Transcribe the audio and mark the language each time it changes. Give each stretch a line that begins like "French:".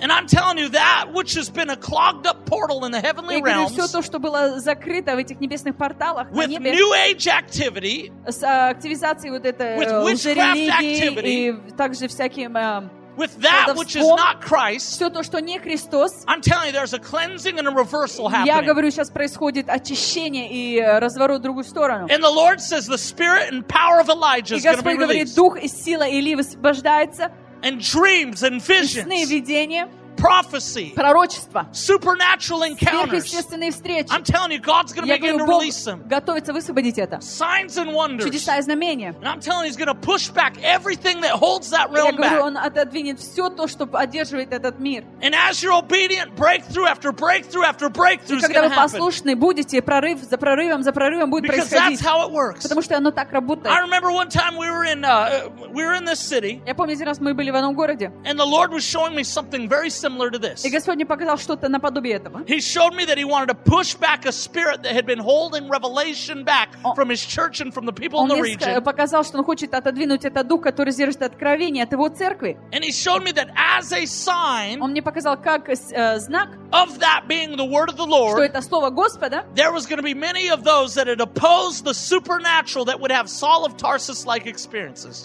English: And I'm telling you that which has been a clogged up portal in the heavenly realms.
Russian: И говорю, все то, что было закрыто в этих небесных порталах на
English: небе. With new age activity.
Russian: С активизацией вот этой лжерелигии и также всяким.
English: With that which is not Christ,
Russian: все то, что не Христос,
English: I'm telling you, there's a cleansing and a reversal happening.
Russian: Я говорю, сейчас происходит очищение и разворот в другую сторону.
English: And the Lord says the spirit and power of Elijah is going to be released.
Russian: И Господь говорит, дух и сила Илии высвобождается.
English: And dreams and visions.
Russian: И сны и видения.
English: Prophecy.
Russian: Пророчество.
English: Supernatural encounters.
Russian: Сверхъестественные встречи.
English: I'm telling you, God's going to begin to release them.
Russian: Готовится высвободить это.
English: Signs and wonders.
Russian: Чудеса и знамения.
English: And I'm telling you, he's going to push back everything that holds that realm back.
Russian: Я говорю, он отодвинет все то, что одерживает этот мир.
English: And as you're obedient, breakthrough after breakthrough after breakthrough is going to happen.
Russian: И когда вы послушны будете, прорыв за прорывом будет происходить.
English: Because that's how it works.
Russian: Потому что оно так работает.
English: I remember one time we were in this city.
Russian: Я помню, один раз мы были в одном городе.
English: And the Lord was showing me something very similar to this.
Russian: И Господь мне показал что-то наподобие этого.
English: He showed me that he wanted to push back a spirit that had been holding revelation back from his church and from the people in the region.
Russian: Он мне показал, что он хочет отодвинуть этот дух, который держит откровение от его церкви.
English: And he showed me that as a sign.
Russian: Он мне показал как знак.
English: Of that being the word of the Lord.
Russian: Что это слово Господа.
English: There was going to be many of those that had opposed the supernatural that would have Saul of Tarsus like experiences.